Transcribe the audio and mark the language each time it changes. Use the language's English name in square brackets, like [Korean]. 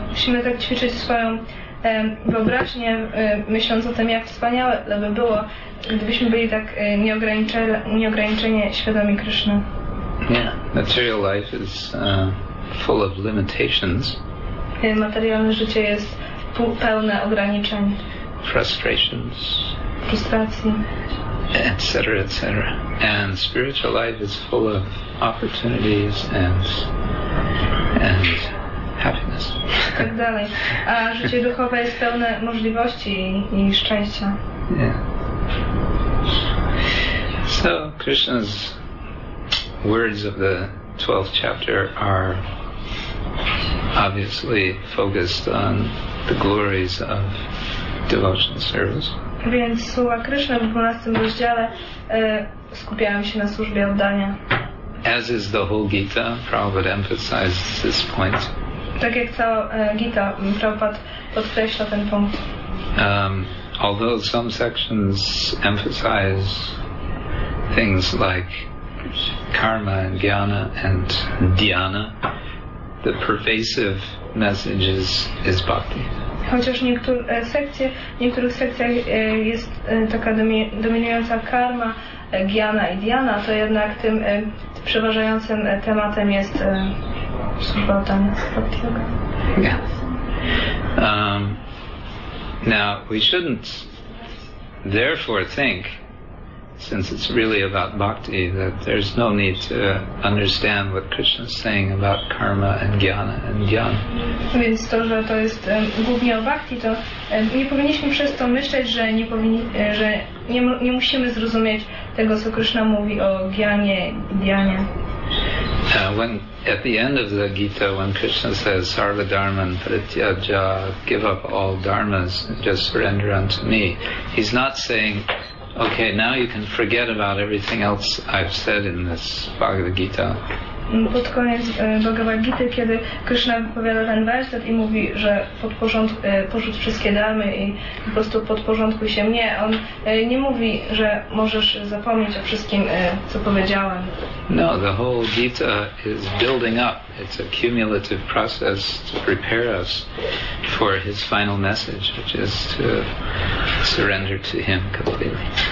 [Polish] Musimy tak ćwiczyć swoją wyobraźnię, myśląc o tym, jak wspaniałe by było, gdybyśmy byli tak nieograniczenie świadomi Krishna. [English] Yeah, material life is full of limitations. [Polish] Materialne życie jest pełne ograniczeń. [English] Frustrations. [Polish] Frustracji. [English] Etc., etc. And spiritual life is full of opportunities and happiness. [Polish] Tak dalej. A życie duchowe jest pełne możliwości i szczęścia. [English] Yeah. So Krishna's words of the 12th chapter are obviously focused on the glories of devotional service. [Polish] Więc słowa Krishna w 12 rozdziale skupiają się na służbie oddania. [English] As is the whole Gita, Prabhupada emphasizes this point. [Polish] Tak jak cała Gita, Prabhupada podkreśla ten punkt. [English] Although some sections emphasize things like karma and jnana and dhyana, the pervasive message is bhakti. [Polish] Chociaż w niektórych sekcjach jest taka dominująca karma, jnana i dhyana, to jednak tym przeważającym tematem jest subodanie z bhakti yoga. [English] Now, we shouldn't therefore think, since it's really about bhakti, that there's no need to understand what Krishna's saying about karma and jnana and jnana. [Polish] Więc to, że to jest głównie o bhakti, to nie powinniśmy przez to myśleć, że nie musimy zrozumieć tego, co Krishna mówi o jnanie i jnanie. [English] When at the end of the Gita, when Krishna says [Sanskrit] "Sarva Dharman Parityaja," [English] give up all dharmas, just surrender unto me, he's not saying, okay, now you can forget about everything else I've said in this Bhagavad Gita. [Polish] Pod koniec Bhagavad Gita, kiedy Krishna powiada ten werset i mówi, że porzuć wszystkie dharmy i po prostu podporządkuj się mnie, on nie mówi, że możesz zapomnieć o wszystkim, co powiedziałem. [English] No, the whole Gita is building up. It's a cumulative process to prepare us for his final message, which is to surrender to him completely.